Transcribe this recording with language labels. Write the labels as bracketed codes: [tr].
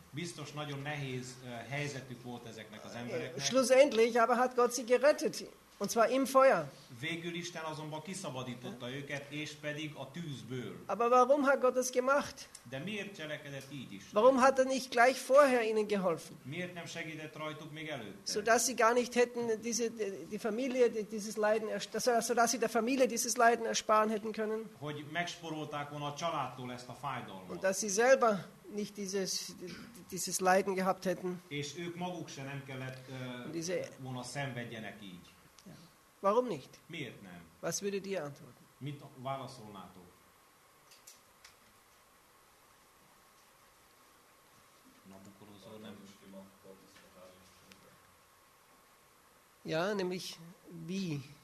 [hu] Biztos nagyon nehéz helyzetük volt ezeknek az embereknek. [de] Schlussendlich aber hat Gott sie gerettet. Und zwar im Feuer. [hu] Végül Isten azonban kiszabadította őket, és pedig a tűzből. [de] Aber warum hat Gott es gemacht? [hu] De miért cselekedett így Isten? [de] Warum hat er nicht gleich vorher ihnen geholfen? [hu] Miért nem segített rajtuk még előtte? [de] Sodass sie gar nicht hätten der Familie dieses Leiden ersparen hätten können. [hu] Hogy megsporolták volna a családtól ezt a fájdalmat. [de] Und dass sie selber nicht dieses Leiden gehabt hätten. [hu] És ők maguk se nem kellett volna szenvedjenek így. [de] Warum nicht? [hu] Miért nem? [de] Was würdet ihr antworten? [hu] Mit válaszolnátok? [de] Ja, nämlich wie?